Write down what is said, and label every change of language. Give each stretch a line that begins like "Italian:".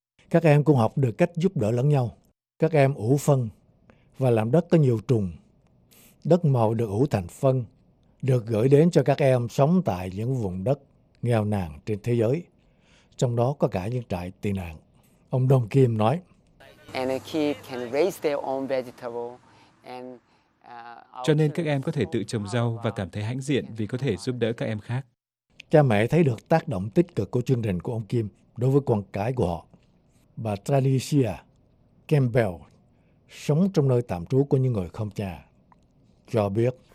Vietnamese: Các em cũng học được cách giúp đỡ lẫn nhau. Các em ủ phân và làm đất có nhiều trùng. Đất màu được ủ thành phân, được gửi đến cho các em sống tại những vùng đất nghèo nàn trên thế giới. Trong đó có cả những trại tị nạn. Ông Đông Kim nói,
English: and a kid can raise their own vegetable and...
Vietnamese: Cho nên các em có thể tự trồng rau và cảm thấy hãnh diện vì có thể giúp đỡ các em khác. Cha mẹ thấy được tác động tích cực của chương trình của ông Kim đối với con cái của họ. Bà Tradicia Campbell, sống trong nơi tạm trú của những người không cha, cho biết: